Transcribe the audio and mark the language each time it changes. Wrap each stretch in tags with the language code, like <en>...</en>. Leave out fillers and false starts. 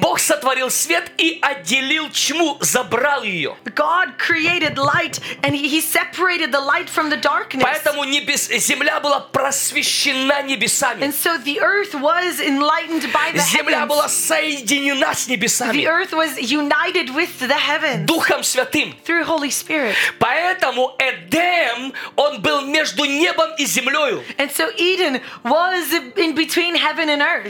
<ru>Бог сотворил свет и отделил тьму, забрал ее.</ru> <en>God created light and he separated the light from the darkness.</en> <ru>Поэтому земля была просвещена небесами.</ru> <en>And so the earth was enlightened by the heavens.</en> <ru>Земля была соединена с небесами.</ru> <en>The earth was united with the heavens.</en> <ru>Духом Святым.</ru> <en>Through Holy Spirit.</en> <ru>Поэтому Эдем, он был между небом и землею.</ru> <en>And so Eden was in between heaven and earth.</en>